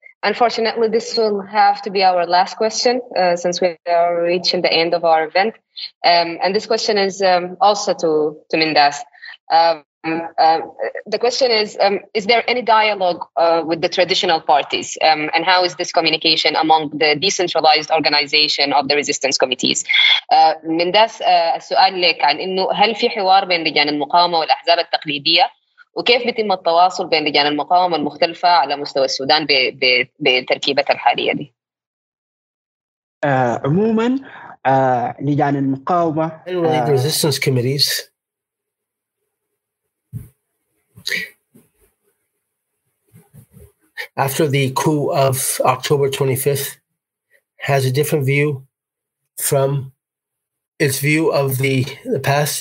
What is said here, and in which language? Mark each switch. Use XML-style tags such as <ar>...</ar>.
<en>Unfortunately, this will have to be our last question since we are reaching the end of our event. And this question is also to Mindas. The question is there any dialogue with the traditional parties? And how is this communication among the decentralized organization of the resistance committees?</en> <ar>Mindas, السؤال لك عن إنه هل في حوار بين لجان المقاومة والأحزاب التقليدية؟ وكيف بيتم التواصل بين لجان المقاومة المختلفة على مستوى السودان بتركيبتها الحالية دي؟ عموما لجان المقاومة</ar> <en>resistance committees after the coup of October 25th has a different view from its view of the past.</en>